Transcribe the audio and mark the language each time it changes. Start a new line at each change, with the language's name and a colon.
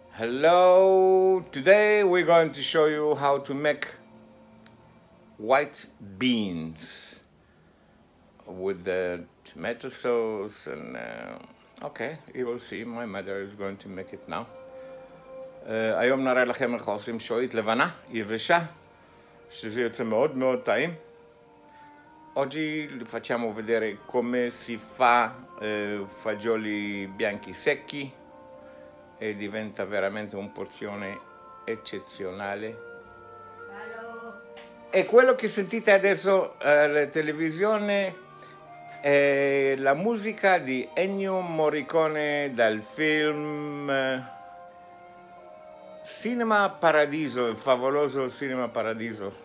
English: Hello, today we're going to show you how to make white beans with the tomato sauce and okay, you will see, my mother is going to make it now.
Hebrew: היום נראה לכם איך עושים שועית לבנה, יבשה, שזה יוצא מאוד מאוד טעים.
Italian: Oggi li facciamo vedere come si fa fagioli bianchi secchi e diventa veramente una porzione eccezionale. E quello che sentite adesso alla televisione è la musica di Ennio Morricone dal film Cinema Paradiso, il favoloso Cinema Paradiso.